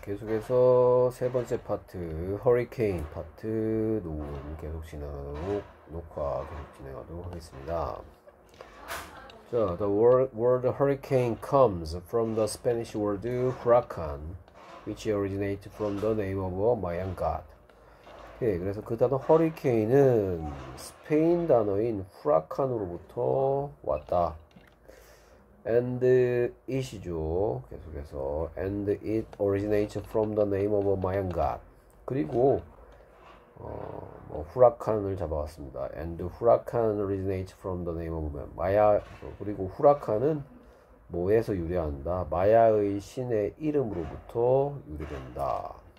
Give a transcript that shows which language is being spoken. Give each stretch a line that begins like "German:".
Korean: 계속해서 세 번째 파트, 허리케인 파트, 녹음 계속 진행하고, 녹화 계속 진행하도록 하겠습니다.
English: 자, the word hurricane comes from the Spanish word huracan, which originates from the name of a Mayan god.
Korean: 오케이. 그래서 그 단어 허리케인은 스페인 단어인 후라칸으로부터 왔다. And it이죠.
English: 계속해서 and it originates from the name of a Mayan god.
Korean: 그리고 뭐 후라칸을 잡아왔습니다.
English: And huracan originates from the name of 마야.
Korean: 그리고 후라칸은 뭐에서 유래한다. 마야의 신의 이름으로부터 유래된다.